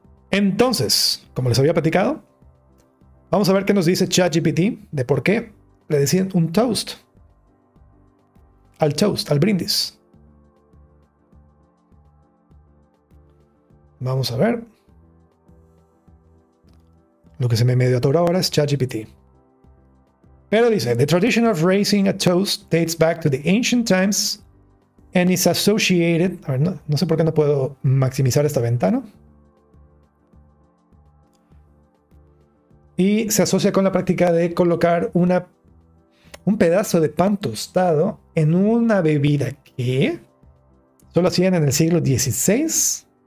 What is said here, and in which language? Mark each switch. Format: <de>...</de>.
<es>Entonces, como les había platicado, vamos a ver qué nos dice ChatGPT de por qué le decían un toast. Al toast, al brindis. Vamos a ver. Lo que se me medio atoró ahora es ChatGPT. Pero dice,</es> <en>the tradition of raising a toast dates back to the ancient times and is associated...</en> <es>A ver, no sé por qué no puedo maximizar esta ventana. Y se asocia con la práctica de colocar un pedazo de pan tostado en una bebida que solo hacían en el siglo XVI.</es>